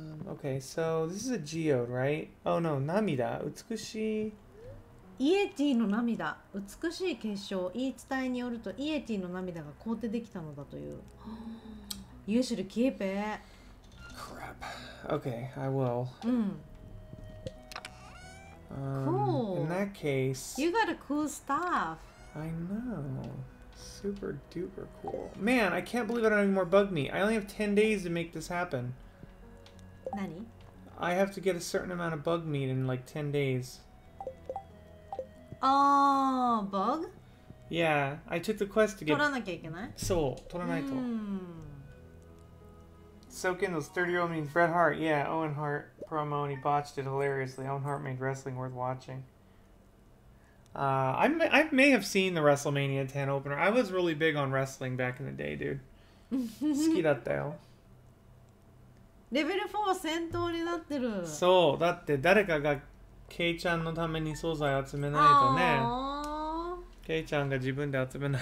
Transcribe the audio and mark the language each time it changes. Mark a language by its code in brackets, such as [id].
[en] Okay, so this is a geode, right? Oh no, [ja] Namida. Utsukushi... イエティの涙、美しい結晶、言い伝えによるとイエティの涙が凍ってできたのだという。 [en] You should keep it. Crap. Okay, I will. Cool. In that case... You got a cool stuff. I know. Super duper cool. Man, I can't believe I don't have any more bug meat. I only have 10 days to make this happen. [ja] 何? [en] I have to get a certain amount of bug meat in like 10 days. Oh, bug? Yeah, I took the quest to get... [ja] 取らなきゃいけない? そう、取らないと。 [en] Soak in those 30-year-old memes. Bret Hart, yeah, Owen Hart promo, and he botched it hilariously. Owen Hart made wrestling worth watching. I may have seen the WrestleMania 10 opener. I was really big on wrestling back in the day, dude. [ja] 好きだったよ。レベル4は戦闘になってる。そう、だって誰かが... ケイちゃんのために素材集めないとね。ケイちゃんが自分で集めない。